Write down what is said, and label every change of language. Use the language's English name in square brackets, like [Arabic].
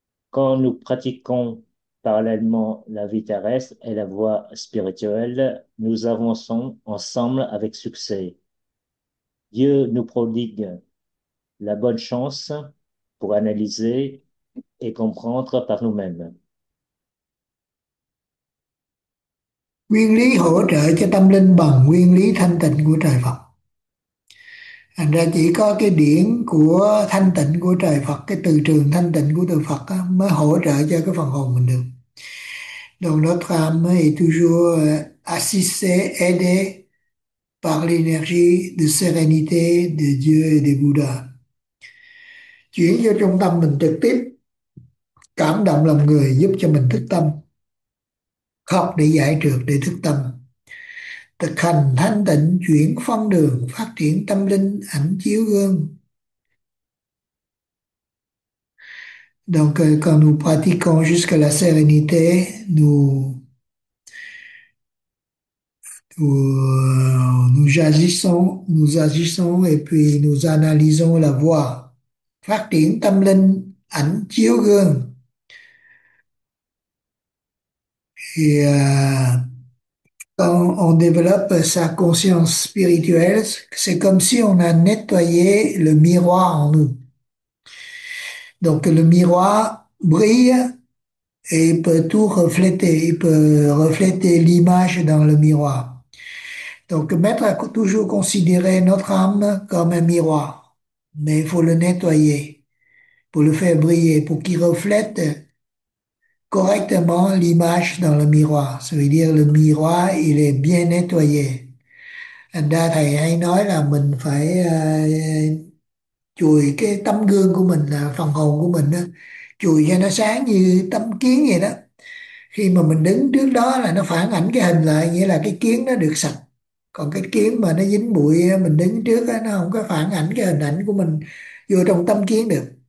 [French] Quand nous pratiquons parallèlement la vie terrestre et la voie spirituelle, nous avançons ensemble avec succès. Dieu nous prodigue la bonne chance pour analyser et comprendre par nous-mêmes. [Vietnamese] Nguyên lý hỗ trợ cho tâm linh bằng nguyên lý thanh tịnh của trời Phật. Thành ra chỉ có cái điển của thanh tịnh của trời Phật, cái từ trường thanh tịnh của trời Phật á, mới hỗ trợ cho cái phần hồn mình được. [French] Donc notre âme est toujours assistée, aidée par l'énergie de sérénité de Dieu et des Bouddhas. [Vietnamese] Chuyển vô trong tâm mình trực tiếp, cảm động lòng người giúp cho mình thức tâm, học để giải trượt để thức tâm, thực hành thanh tịnh chuyển phong đường phát triển tâm linh ảnh chiếu gương. [French] Donc, quand nous pratiquons jusqu'à la sérénité, nous agissons et puis nous analysons la voie. [Vietnamese] Phát triển tâm linh, ảnh chiếu gương. [French] Quand on développe sa conscience spirituelle, c'est comme si on a nettoyé le miroir en nous. Donc le miroir brille et peut tout refléter. Il peut refléter l'image dans le miroir. Donc maître a toujours considéré notre âme comme un miroir, mais il faut le nettoyer pour le faire briller, pour qu'il reflète correctement l'image dans le miroir. Ça veut dire le miroir, il est bien nettoyé. [Vietnamese] Thành ra thầy hay nói là mình phải chùi cái tấm gương của mình, là phần hồn của mình đó, chùi cho nó sáng như tấm kiếng vậy đó. Khi mà mình đứng trước đó là nó phản ảnh cái hình lại, nghĩa là cái kiếng nó được sạch. Còn cái kiếng mà nó dính bụi mình đứng trước đó, nó không có phản ảnh cái hình ảnh của mình vô trong tấm kiếng được.